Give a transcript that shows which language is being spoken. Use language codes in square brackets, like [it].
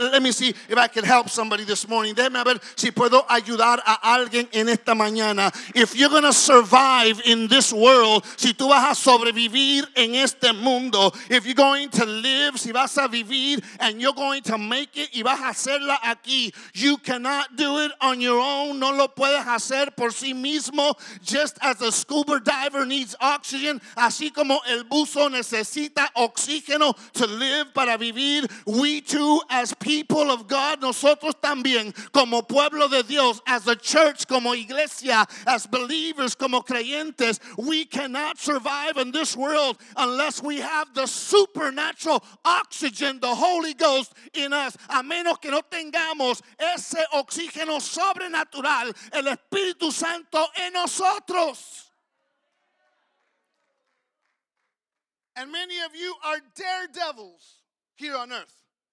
[en] Let me see if I can help somebody this morning. [es] Déjeme ver si puedo ayudar a alguien en esta mañana. [en] If you're going to survive in this world, [es] si tú vas a sobrevivir en este mundo, [en] if you're going to live, [es] si vas a vivir, [en] and you're going to make it, [es] y vas a hacerla aquí, [en] you cannot do it on your own. [es] No lo puedes hacer por sí mismo. [en] Just as a scuba diver needs oxygen, [es] así como el buzo necesita oxígeno [en] to live, [es] para vivir, [en] we too, as people of God, [es] nosotros también, como pueblo de Dios, [en] as a church, [es] como iglesia, [en] as believers, [es] como creyentes, [en] we cannot survive in this world unless we have the supernatural oxygen, the Holy Ghost in us. [es] A menos que no tengamos ese oxígeno sobrenatural, el Espíritu Santo en nosotros. [en] And many of you are daredevils here on earth.